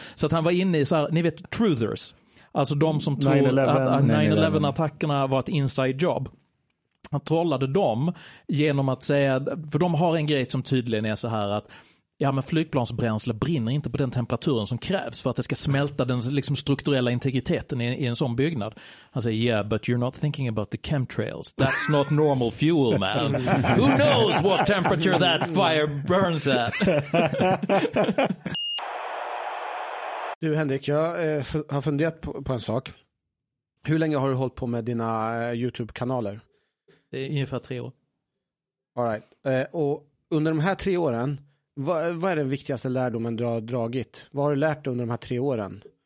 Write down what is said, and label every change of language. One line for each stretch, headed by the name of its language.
Swedish: Så att han var inne i så här, ni vet, truthers. Alltså de som tror att 9/11-attackerna var ett inside job. Han trollade dem genom att säga, för de har en grej som tydligen är så här att ja, men flygplansbränsle brinner inte på den temperaturen som krävs för att det ska smälta den liksom strukturella integriteten i en sån byggnad. Han säger,
English: yeah, but you're not thinking about the chemtrails. That's not normal fuel, man. Who knows what temperature that fire burns at?
Swedish: Du, Henrik, jag har funderat på en sak. Hur länge har du hållit på med dina YouTube-kanaler? Det är ungefär 3 år.
English: All right.
Swedish: Och under de här 3 åren... Vad är den viktigaste lärdomen du har dragit? Vad har du lärt dig under de här 3 åren?